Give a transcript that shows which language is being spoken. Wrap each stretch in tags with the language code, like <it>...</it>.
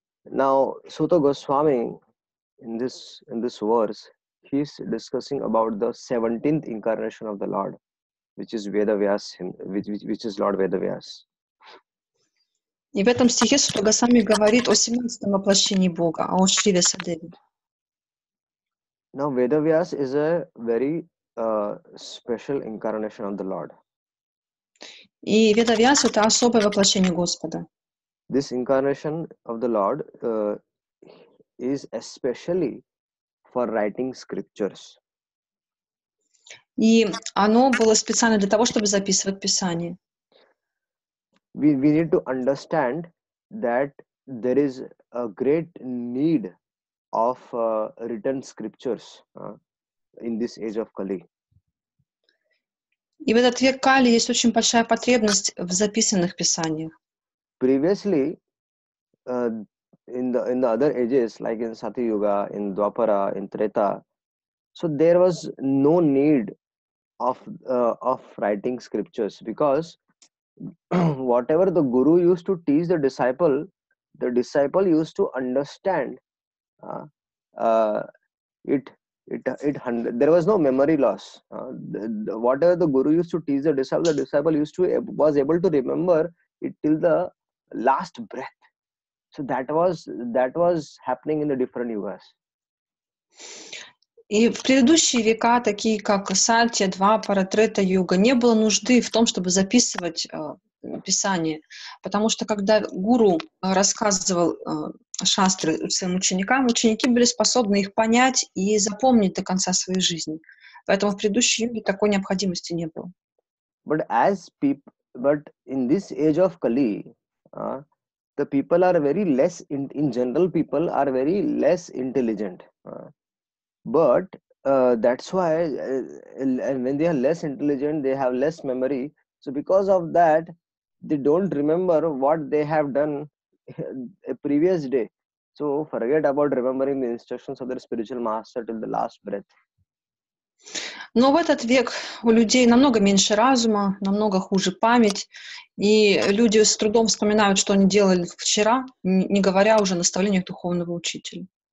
<en>Now Suta Goswami in this verse, he is discussing about the 17th incarnation of the Lord, which is Vedavyas, which is Lord Vedavyas.</en> <ru>И в этом стихе Сута Госвами говорит о 17-м воплощении Бога, о Шри Вьясадеве.</ru> <en>Now Vedavyas is a very special incarnation of the Lord.</en> <ru>И Vedavyas — это особое воплощение Господа.</ru> <en>This incarnation of the Lord is especially for writing scriptures.</en> <ru>И оно было специально для того, чтобы записывать Писание.</ru> <en>We need to understand that there is a great need of written scriptures in this age of Kali.</en> <ru>И в этот век Кали есть очень большая потребность в записанных писаниях.</ru> <en>Previously, in the other ages, like in Sati Yuga, in Dwapara, in Treta, so there was no need of writing scriptures, because whatever the guru used to teach the disciple used to understand it. There was no memory loss. Whatever the guru used to teach the disciple used to was able to remember it till the last breath. So that was happening in the different yugas.</en> <ru>И в предыдущие века, такие как Сатья, Двапара, Трета Юга, не было нужды в том, чтобы записывать Писание. Потому что когда гуру рассказывал шастры своим ученикам, ученики были способны их понять и запомнить до конца своей жизни. Поэтому в предыдущие юги такой необходимости не было.</ru> <en>But in this age of Kali, the people are very less, in general people are very less intelligent. But that's why when they are less intelligent, they have less memory. So because of that, they don't remember what they have done a previous day. So forget about remembering the instructions of their spiritual master till the last breath.</en> <ru>Но в этот век у людей намного меньше разума, намного хуже память, и люди с трудом вспоминают, что они делали вчера, не говоря уже о наставлениях духовного учителя.</ru>